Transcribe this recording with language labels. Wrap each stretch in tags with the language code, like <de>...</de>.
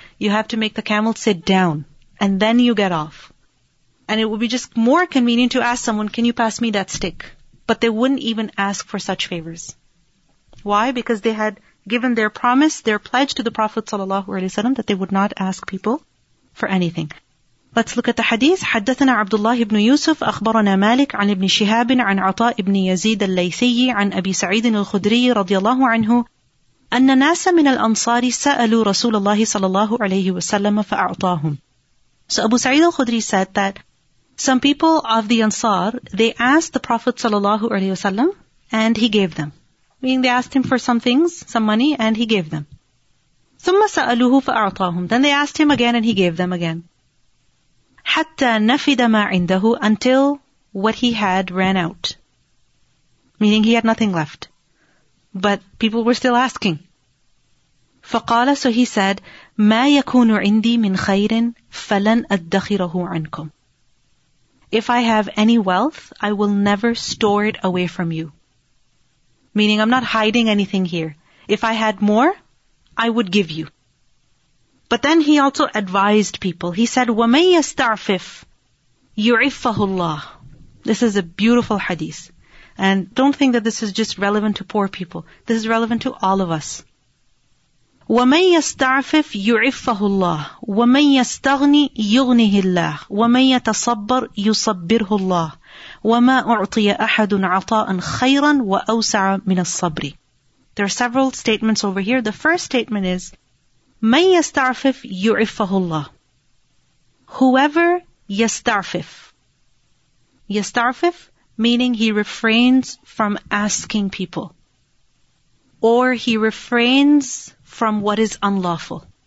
<en>You have to make the camel sit down, and then you get off. And it would be just more convenient to ask someone, can you pass me that stick? But they wouldn't even ask for such favors. Why? Because they had given their promise, their pledge to the Prophet ﷺ that they would not ask people for anything. Let's look at the hadith.</en> <ar>حدثنا عبد الله بن يوسف أخبرنا مالك عن ابن شهاب عن عطاء بن يزيد الليثي عن أبي سعيد الخدري رضي الله عنه أن ناس من الأنصار سألوا رسول الله صلى الله عليه وسلم فأعطاهم.</ar> <en>So Abu Sa'id al-Khudri said that some people of the Ansar, they asked the Prophet ﷺ and he gave them. Meaning they asked him for some things, some money, and he gave them. ثُمَّ سَأَلُوهُ فَأَعْطَاهُمْ Then they asked him again and he gave them again. حَتَّى نَفِدَ مَا عِنْدَهُ Until what he had ran out. Meaning he had nothing left. But people were still asking. فَقَالَ So he said, مَا يَكُونُ عِنْدِي مِنْ خَيْرٍ فَلَنْ أَدَّخِرَهُ عَنْكُمْ If I have any wealth, I will never store it away from you. Meaning, I'm not hiding anything here. If I had more, I would give you. But then he also advised people. He said, وَمَنْ يَسْتَعْفِفْ يُعِفَّهُ اللَّهُ This is a beautiful hadith. And don't think that this is just relevant to poor people. This is relevant to all of us.</en> <ar>وَمَنْ يَسْتَعْفِفْ يُعِفَّهُ اللَّهُ وَمَنْ يَسْتَغْنِي يُغْنِهِ اللَّهُ وَمَنْ يَتَصَبَّرْ يُصَبِّرْهُ اللَّهُ وَمَا أُعْطِيَ أَحَدٌ عَطَاءً خَيْرًا وَأَوْسَعَ مِنَ الصَّبْرِ There are several statements over here.</ar> <en>The first statement is, مَنْ يَسْتَعْفِفْ يُعِفَّهُ اللَّهُ Whoever يَسْتَعْفِفْ يَسْتَعْفِفْ meaning he refrains from asking people or he refrains from what is unlawful.</en>